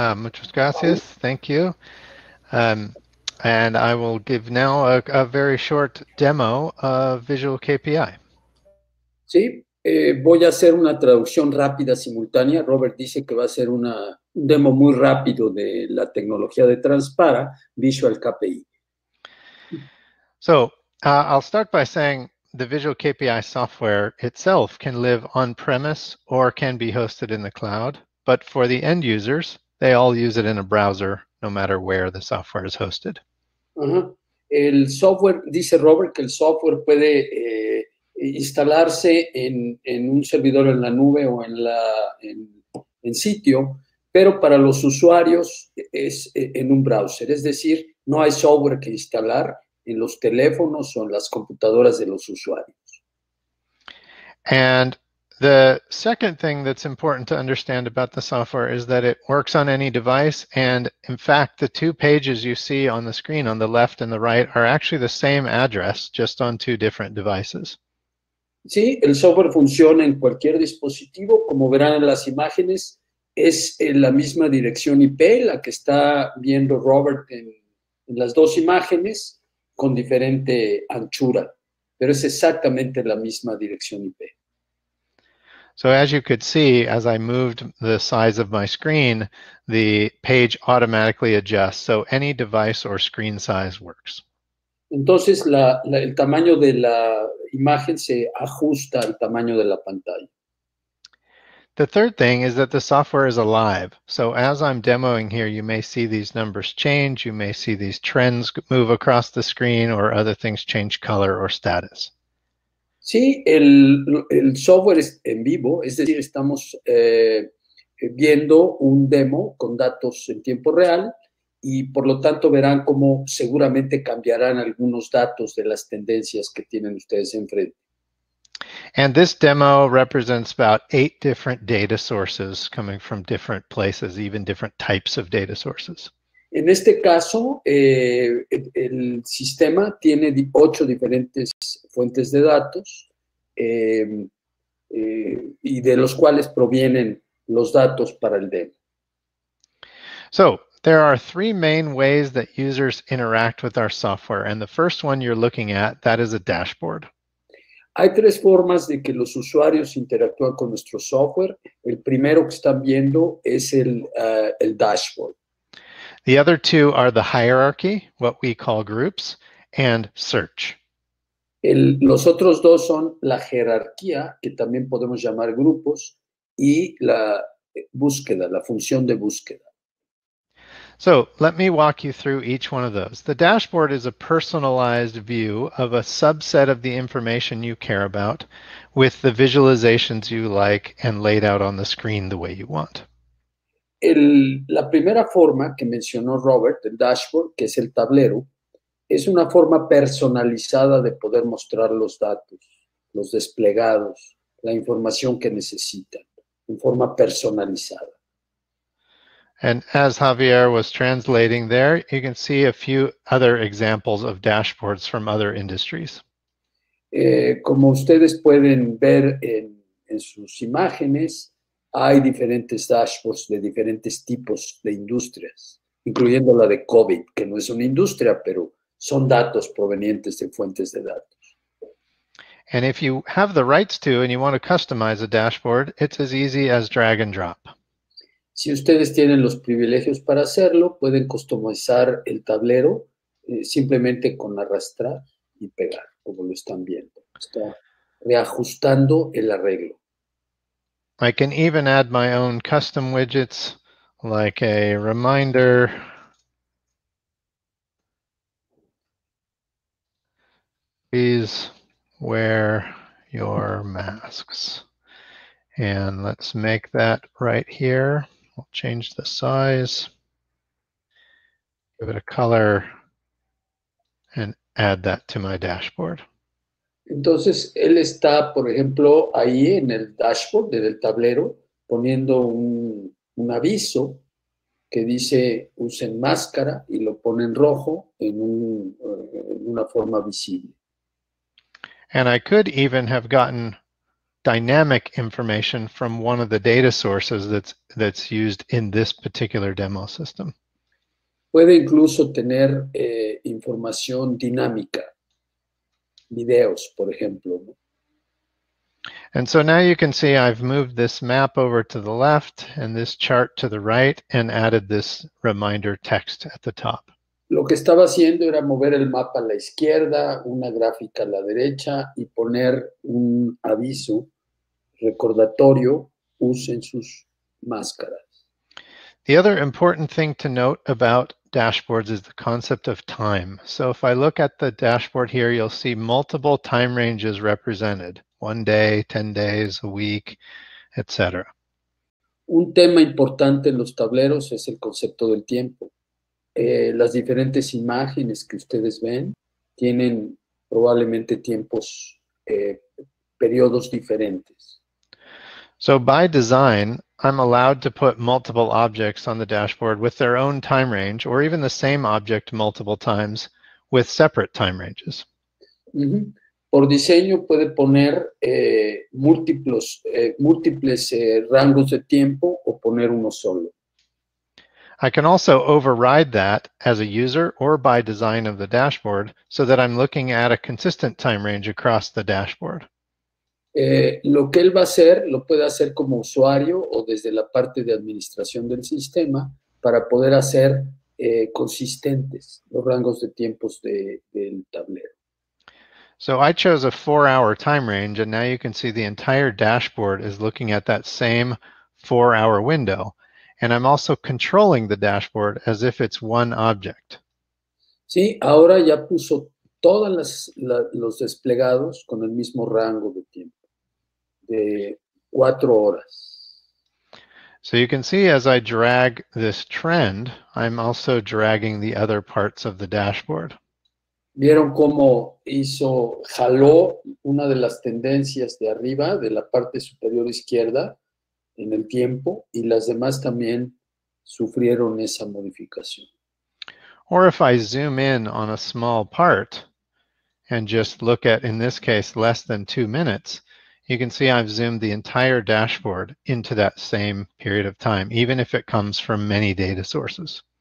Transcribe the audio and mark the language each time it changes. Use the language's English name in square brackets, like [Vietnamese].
[Spanish] Muchas gracias. [English] Thank you. And I will give now a very short demo of Visual KPI. [Spanish] Sí, voy a hacer una traducción rápida simultánea. Robert dice que va a ser una demo muy rápido de la tecnología de Transpara, Visual KPI. [English] So, I'll start by saying the Visual KPI software itself can live on-premise or can be hosted in the cloud, but for the end users, they all use it in a browser, no matter where the software is hosted. Uh-huh. [Spanish] El software, dice Robert, que el software puede instalarse en un servidor en la nube o en sitio, pero para los usuarios es en un browser. Es decir, no hay software que instalar en los teléfonos o en las computadoras de los usuarios. [English] And the second thing that's important to understand about the software is that it works on any device. And in fact, the two pages you see on the screen on the left and the right are actually the same address, just on two different devices. [Spanish] Sí, el software funciona en cualquier dispositivo. Como verán en las imágenes, es en la misma dirección IP, la que está viendo Robert en las dos imágenes, con diferente anchura. Pero es exactamente la misma dirección IP. [English] So as you could see, as I moved the size of my screen, the page automatically adjusts. So any device or screen size works. [Spanish] Entonces, el tamaño de la imagen se ajusta al tamaño de la pantalla. [English] The third thing is that the software is alive. So as I'm demoing here, you may see these numbers change, you may see these trends move across the screen, or other things change color or status. [Spanish] Sí, el software es en vivo, es decir, estamos viendo un demo con datos en tiempo real, y por lo tanto verán cómo seguramente cambiarán algunos datos de las tendencias que tienen ustedes enfrente. [English] And this demo represents about 8 different data sources coming from different places, even different types of data sources. [Spanish] En este caso, el sistema tiene 8 diferentes fuentes de datos, y de los cuales provienen los datos para el demo. [English] So, there are 3 main ways that users interact with our software. And the first one you're looking at, that is a dashboard. [Spanish] Hay tres formas de que los usuarios interactúan con nuestro software. El primero que están viendo es el dashboard. [English] The other two are the hierarchy, what we call groups, and search. [Spanish] Los otros dos son la jerarquía, que también podemos llamar grupos, y la búsqueda, la función de búsqueda. [English] So, let me walk you through each one of those. The dashboard is a personalized view of a subset of the information you care about with the visualizations you like and laid out on the screen the way you want. [Spanish] La primera forma que mencionó Robert, el dashboard, que es el tablero, es una forma personalizada de poder mostrar los datos, los desplegados, la información que necesitan, en forma personalizada. [English] And as Javier was translating there, you can see a few other examples of dashboards from other industries. [Spanish] Como ustedes pueden ver en sus imágenes, hay diferentes dashboards de diferentes tipos de industrias, incluyendo la de COVID, que no es una industria, pero son datos provenientes de fuentes de datos. [English] And if you have the rights to and you want to customize a dashboard, it's as easy as drag and drop. [Spanish] Si ustedes tienen los privilegios para hacerlo, pueden customizar el tablero simplemente con arrastrar y pegar, como lo están viendo. Está reajustando el arreglo. [English] I can even add my own custom widgets, like a reminder. Please wear your masks. And let's make that right here. I'll change the size, give it a color, and add that to my dashboard. [Spanish] Entonces, él está, por ejemplo, ahí en el dashboard del tablero, poniendo un aviso que dice, usen máscara, y lo pone en rojo en una forma visible. [English] And I could even have gotten dynamic information from one of the data sources that's used in this particular demo system. [Spanish] Puede incluso tener información dinámica, videos, por ejemplo. [English] And so now you can see I've moved this map over to the left and this chart to the right and added this reminder text at the top. [Spanish] Lo que estaba haciendo era mover el mapa a la izquierda, una gráfica a la derecha y poner un aviso recordatorio, usen sus máscaras. [English] The other important thing to note about dashboards is the concept of time. So if I look at the dashboard here, you'll see multiple time ranges represented. 1 day, 10 days, a week, etc. [Spanish] Un tema importante en los tableros es el concepto del tiempo. Las diferentes imágenes que ustedes ven tienen probablemente tiempos, periodos diferentes. [English] So by design, I'm allowed to put multiple objects on the dashboard with their own time range, or even the same object multiple times with separate time ranges. Mm-hmm. [Spanish] Por diseño puede poner múltiples rangos de tiempo o poner uno solo. [English] I can also override that as a user or by design of the dashboard so that I'm looking at a consistent time range across the dashboard. [Spanish] Lo que él va a hacer, lo puede hacer como usuario o desde la parte de administración del sistema para poder hacer consistentes los rangos de tiempos del tablero. [English] So I chose a 4-hour time range, and now you can see the entire dashboard is looking at that same 4-hour window. And I'm also controlling the dashboard as if it's one object. [Spanish] Sí, ahora ya puso todos los desplegados con el mismo rango de tiempo. De 4 horas. [English] So you can see as I drag this trend, I'm also dragging the other parts of the dashboard. [Spanish] ¿Vieron cómo hizo, jaló una de las tendencias de arriba, de la parte superior izquierda, en el tiempo, y las demás también sufrieron esa modificación? [English] Or if I zoom in on a small part and just look at, in this case, less than 2 minutes, you can see I've zoomed the entire dashboard into that same period of time, even if it comes from many data sources.